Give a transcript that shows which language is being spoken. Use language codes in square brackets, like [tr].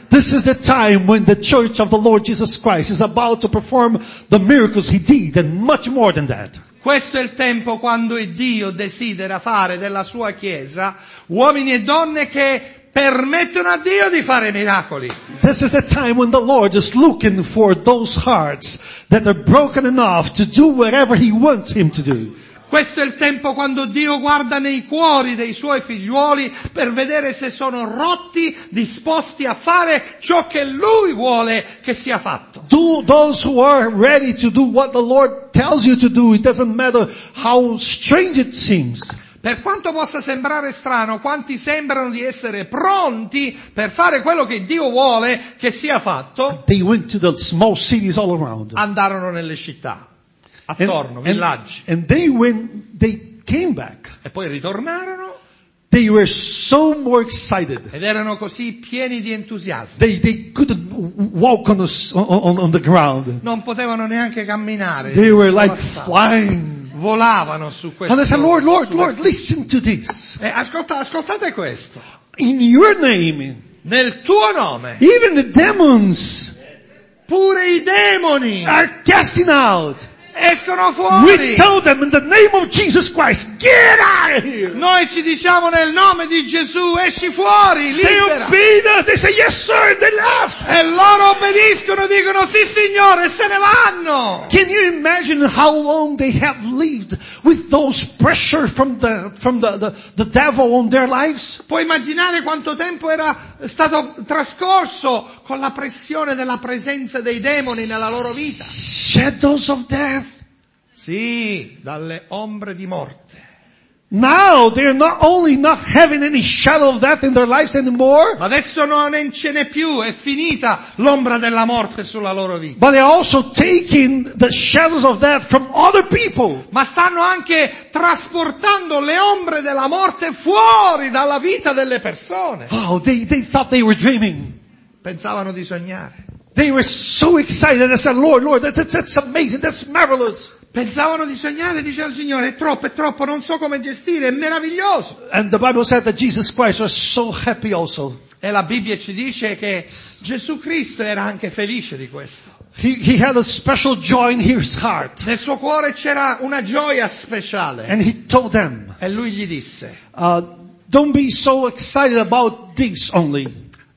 [en] This is the time when the church of the Lord Jesus Christ is about to perform the miracles he did and much more than that. [it] Questo è il tempo quando Dio desidera fare della sua chiesa uomini e donne che permettono a Dio di fare miracoli. [en] This is the time when the Lord is looking for those hearts that are broken enough to do whatever he wants him to do. [it] Questo è il tempo quando Dio guarda nei cuori dei suoi figliuoli per vedere se sono rotti, disposti a fare ciò che lui vuole che sia fatto. [en] Do those who are ready to do what the Lord tells you to do, it doesn't matter how strange it seems. [it] Per quanto possa sembrare strano, quanti sembrano di essere pronti per fare quello che Dio vuole che sia fatto, [en] they went to the small cities all around. [it] Andarono nelle città, attorno, villaggi. [en] And they went, they came back. [it] E poi ritornarono. [en] They were so more excited. [it] Ed erano così pieni di entusiasmo. [en] They couldn't walk on the ground. [it] Non potevano neanche camminare. [en] They were like flying. [it] Volavano su questo. [en] And I said, Lord, listen to this. [it] Ascoltate questo. [en] In your name. [it] Nel tuo nome. [en] Even the demons. [it] Pure i demoni. [en] Are casting out. [it] Escono fuori. [en] We told them in the name of Jesus Christ. Christ, get out of here. [it] Noi ci diciamo nel nome di Gesù, esci fuori, libera. [en] They obeyed us. They say yes, sir. And they left. [it] E loro obbediscono, dicono sì, signore, e se ne vanno. [en] Can you imagine how long they have lived with those pressure from the devil on their lives? [it] Puoi immaginare quanto tempo era stato trascorso con la pressione della presenza dei demoni nella loro vita? [en] Shadows of death. [it] Sì, dalle ombre di morte. [en] Now they're not only not having any shadow of death in their lives anymore. [it] Ma adesso non ce n'è più, è finita l'ombra della morte sulla loro vita. [en] But they're also taking the shadows of death from other people. [it] Ma stanno anche trasportando le ombre della morte fuori dalla vita delle persone. [en] Oh, they thought they were dreaming. [it] Pensavano di sognare. [en] They were so excited. They said, "Lord, Lord, that's amazing. That's marvelous." [it] Pensavano di sognare, diceva il Signore, è troppo, non so come gestire, è meraviglioso. [en] And the Bible said that Jesus Christ was so happy also. [it] E la Bibbia ci dice che Gesù Cristo era anche felice di questo. [en] He had a special joy in his heart. [it] Nel suo cuore c'era una gioia speciale. [en] And he told them. [it] E lui gli disse. [en] Don't be so excited about this only.